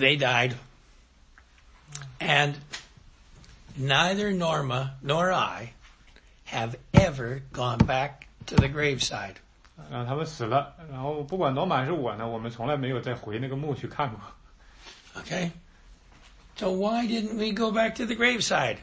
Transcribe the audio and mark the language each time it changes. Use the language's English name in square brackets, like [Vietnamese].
[English] They died. And neither Norma nor I have ever gone back to the graveside. [Chinese] 然后他们死了，然后不管Norma还是我呢，我们从来没有再回那个墓去看过。 [English] Okay. So why didn't we go back to the graveside?